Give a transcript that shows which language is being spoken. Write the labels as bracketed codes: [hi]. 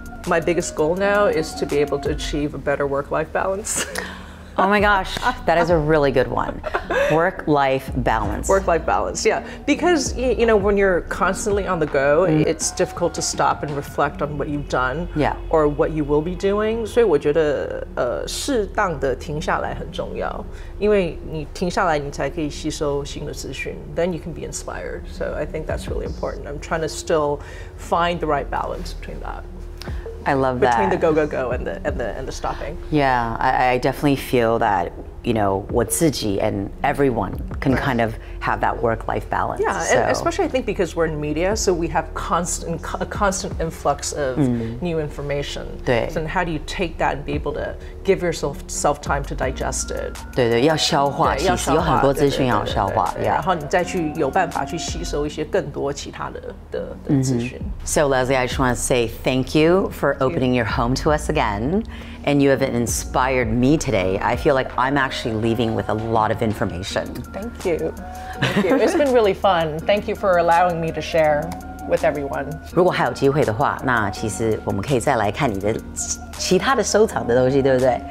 [en] ？My biggest goal now is to be able to achieve a better work-life balance. Oh my gosh, that is a really good one. Work-life balance. Work-life balance, yeah. Because, you know, when you're constantly on the go,、mm. it's difficult to stop and reflect on what you've done、 yeah. or what you will be doing. [zh] 所以我觉得、适当的停下来很重要。因为你停下来你才可以吸收新的资讯。 [en] Then you can be inspired. So I think that's really important. I'm trying to still find the right balance between that. I love that. Between the go, go, go and the stopping. Yeah, I definitely feel that, you know, [zh] 我自己 [en] and everyone can、right. kind of have that work-life balance. Yeah, so. Especially I think because we're in media, so we have a constant influx of new information. [zh] 对. [en] So how do you take that and be able to give yourself time to digest it? [zh] 对，要消化，其实有很多资讯要消化。对。然后你再去有办法去吸收一些更多其他的资讯。 [en] So Leslie, I just want to say thank you for opening your home to us again. And you have inspired me today. I feel like I'm actually leaving with a lot of information. Thank you. It's been really fun. Thank you for allowing me to share with everyone. [zh] 如果还有机会的话，那其实我们可以再来看你的其他的收藏的东西，对不对？